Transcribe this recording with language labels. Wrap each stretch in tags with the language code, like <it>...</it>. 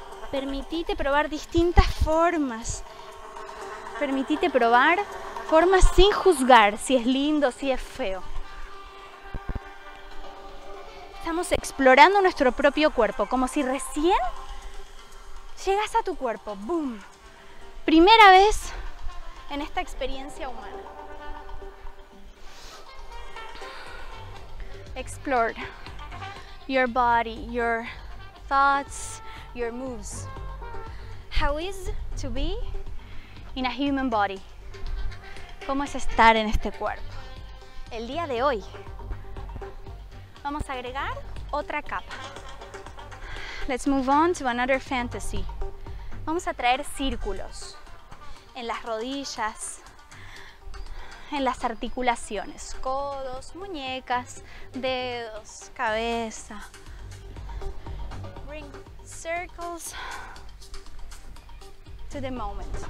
<es>Permitite probar distintas formas. Permitite probar formas sin juzgar si es lindo, si es feo. Estamos explorando nuestro propio cuerpo, como si recién llegas a tu cuerpo. ¡Boom! Primera vez en esta experiencia humana.</es> <en>Explore your body, your thoughts, your moves. How is to be in a human body?</en> <es>¿Cómo es estar en este cuerpo? El día de hoy vamos a agregar otra capa.</es> <en>Let's move on to another fantasy.</en> <es>Vamos a traer círculos en las rodillas, en las articulaciones, codos, muñecas, dedos, cabeza.</es> <en>Bring circles to the moment.</en>